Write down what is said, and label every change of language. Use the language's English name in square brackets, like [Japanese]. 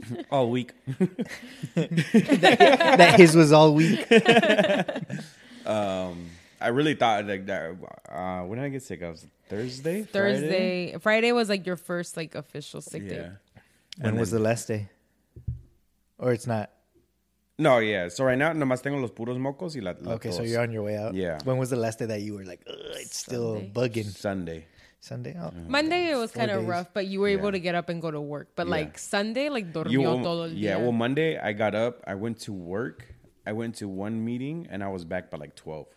[English] All week. That his was all week. I really thought, when did I get sick? I was Thursday? Thursday. Friday was like your first like official sick day. When was the last day? Or it's not? No, yeah. So right now, [Spanish] nomás tengo los puros mocos y la tos. [English] Okay, so you're on your way out? Yeah. When was the last day that you were like, ugh, it's still bugging? Sunday? Oh. Monday, it was kind of rough, but you were able to get up and go to work. But like Sunday, like, [Spanish] dormió todo el día. [English] Yeah, well, Monday, I got up. I went to work. I went to one meeting, and I was back by like 12.